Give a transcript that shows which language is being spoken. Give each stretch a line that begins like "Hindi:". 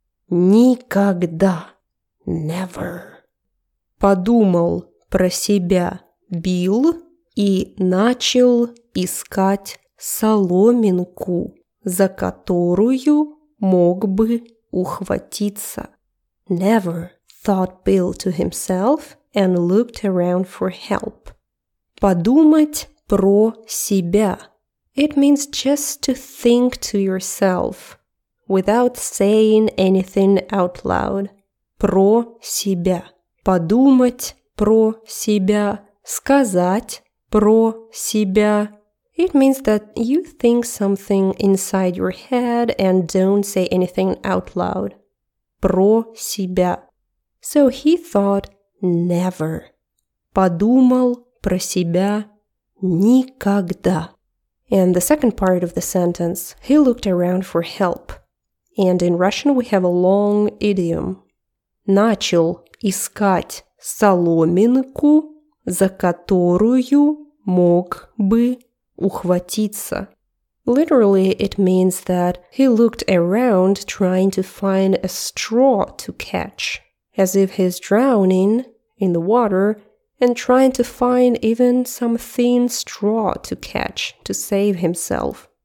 Russian: Никогда.
English: Never.
Russian: Подумал про себя Билл и начал искать соломинку, за которую мог бы ухватиться.
English: Never, thought Bill to himself and looked around for help.
Russian: Подумать про себя.
English: It means just to think to yourself, without saying anything out loud.
Russian: Про себя. Подумать про себя. Сказать про себя.
English: It means that you think something inside your head and don't say anything out loud.
Russian: Про себя.
English: So he thought, never.
Russian: Подумал про себя никогда.
English: And the second part of the sentence, he looked around for help. And in Russian we have a long idiom.
Russian: Начал искать соломинку, за которую мог бы ухватиться.
English: Literally, it means that he looked around trying to find a straw to catch, as if he's drowning in the water and trying to find even some thin straw to catch to save himself.